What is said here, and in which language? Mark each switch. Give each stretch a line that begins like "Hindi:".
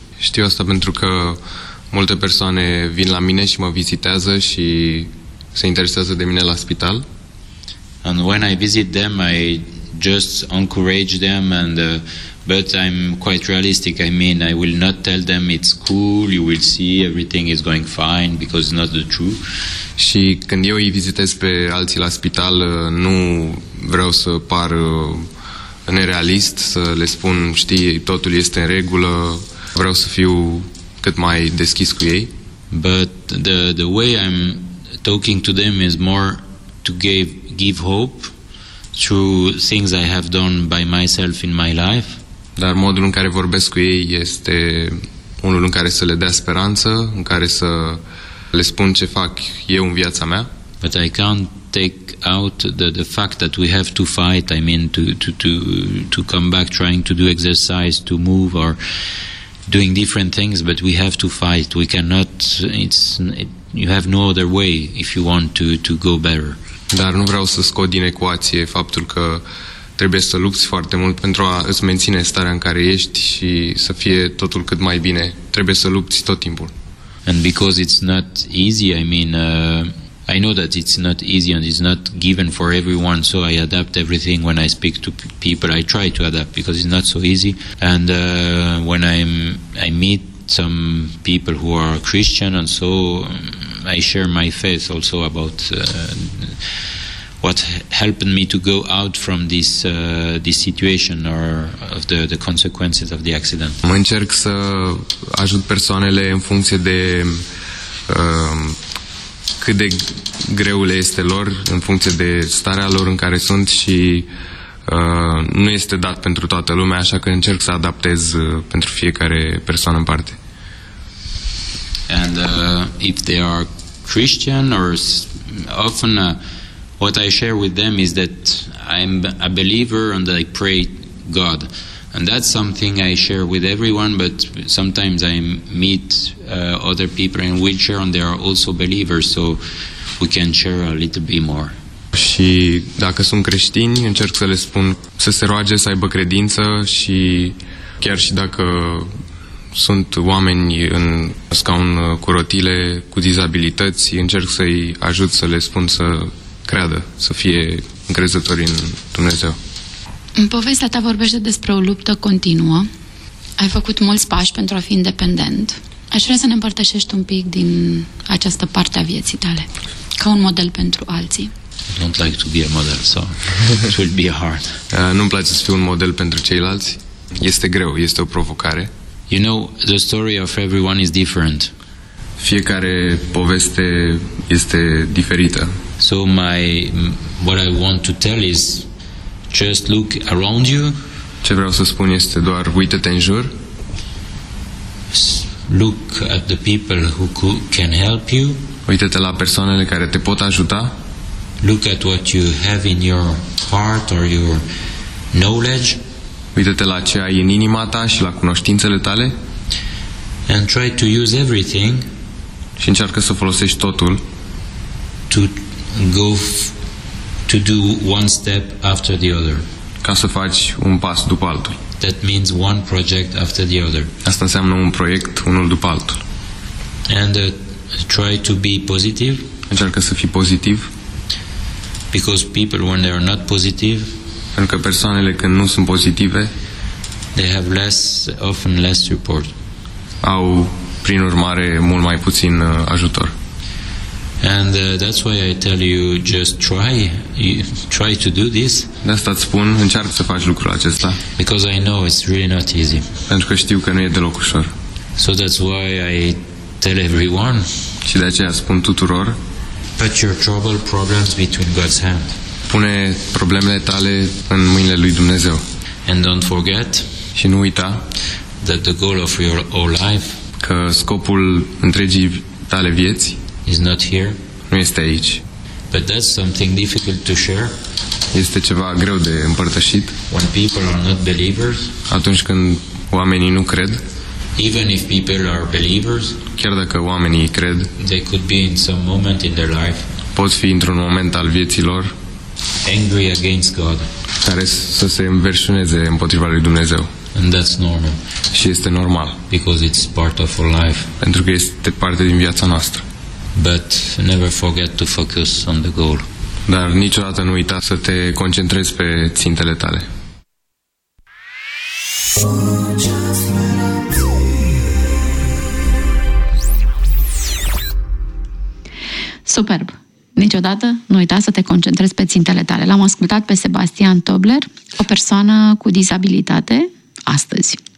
Romanian: Știu asta pentru că multe persoane vin la mine și mă vizitează și se interesează de mine la spital.
English: And when I visit them, I just encourage them and but I'm quite realistic. I mean, I will not tell them it's cool, you will see everything is going fine, because it's not the truth.
Romanian: Și când eu îi vizitez pe alții la spital, nu vreau să par nerealist, să le spun, știi, totul este în regulă. Vreau să fiu cât mai deschis cu ei.
English: But the way I'm talking to them is more to give hope through things I have done by myself in my life.
Romanian: Dar modul în care vorbesc cu ei este unul în care să le dea speranță, în care să le spun ce fac eu în viața mea.
English: But I can't take out the fact that we have to fight, I mean to come back trying to do exercise, to move or doing different things, but we have to fight. We cannot, you have no other way if you want to go better.
Romanian: Dar nu vreau să scot din ecuație faptul că trebuie să lupți foarte mult pentru a îți menține starea în care ești și să fie totul cât mai bine. Trebuie să lupți tot timpul.
English: And because it's not easy, I mean, I know that it's not easy and it's not given for everyone, so I adapt everything when I speak to people. I try to adapt because it's not so easy. And when I meet some people who are Christian and so I share my faith also about what helped me to go out from this situation or of the consequences of the accident.
Romanian: Mă încerc să ajut persoanele în funcție de cât de greu le este lor, în funcție de starea lor în care sunt și nu este dat pentru toată lumea, așa că încerc să adaptez pentru fiecare persoană în parte.
English: And if they are Christian or often what I share with them is that I'm a believer and I pray God. And that's something I share with everyone, but sometimes I meet other people in wheelchair and they are also believers, so we can share a little bit more.
Romanian: Și dacă sunt creștini, încerc să le spun să se roage, să aibă credință și chiar și dacă sunt oameni în scaun cu rotile, cu dizabilități, încerc să-i ajut să le spun să creadă, să fie încrezători în Dumnezeu. În povestea ta vorbește despre o luptă continuă. Ai făcut mulți pași pentru a fi independent. Aș vrea să ne împărtășești un pic din această parte a vieții tale, ca un model pentru alții.
English: I don't like to be a model, so it will be hard.
Romanian: Nu-mi place să fiu un model pentru ceilalți. Este greu, este o provocare.
English: You know, the story of everyone is different.
Romanian: Fiecare poveste este diferită.
English: So what I want to tell is just look around you.
Romanian: Ce vreau să spun este doar uită-te în jur.
English: Look at the people who can help you.
Romanian: Uită-te la persoanele care te pot ajuta.
English: Look at what you have in your heart or your knowledge.
Romanian: Uită-te la ce ai în inima ta și la cunoștințele tale.
English: And try to use everything.
Romanian: Și încearcă să folosești totul.
English: To do one step after the other.
Romanian: Ca să faci un pas după altul.
English: That means one project after the other.
Romanian: Asta înseamnă un proiect unul după altul.
English: And try to be positive.
Romanian: Încearcă să fii pozitiv.
English: Because people when they are not positive,
Romanian: pentru că persoanele când nu sunt pozitive,
English: they have less, often less support.
Romanian: Au prin urmare mult mai puțin ajutor.
English: And that's why I tell you just try to do this.
Romanian: De asta îți spun, încearcă să faci lucrul acesta.
English: Because I know it's really not easy.
Romanian: Pentru că știu că nu e deloc ușor.
English: So that's why I tell everyone.
Romanian: Și de aceea spun tuturor,
English: put your trouble problems between God's hand.
Romanian: Pune problemele tale în mâinile lui Dumnezeu.
English: And don't forget,
Romanian: și nu uita,
English: that the goal of your whole life,
Romanian: că scopul întregii tale vieți,
English: is not here,
Romanian: nu este aici.
English: But that's something difficult to share.
Romanian: Este ceva greu de împărtășit.
English: When people are not believers,
Romanian: atunci când oamenii nu cred,
English: even if people are believers,
Romanian: chiar dacă oamenii cred,
English: they could be in some moment in their life,
Romanian: pot fi într-un moment al vieții lor,
English: angry against God,
Romanian: care să se înverșuneze împotriva lui Dumnezeu.
English: And that's normal.
Romanian: Și este normal.
English: Because it's part of our life.
Romanian: Pentru că este parte din viața noastră.
English: But never forget to focus on the goal.
Romanian: Dar niciodată nu uita să te concentrezi pe țintele tale. Superb! Niciodată nu uita să te concentrezi pe țintele tale. L-am ascultat pe Sebastian Tobler, o persoană cu dizabilitate, astăzi.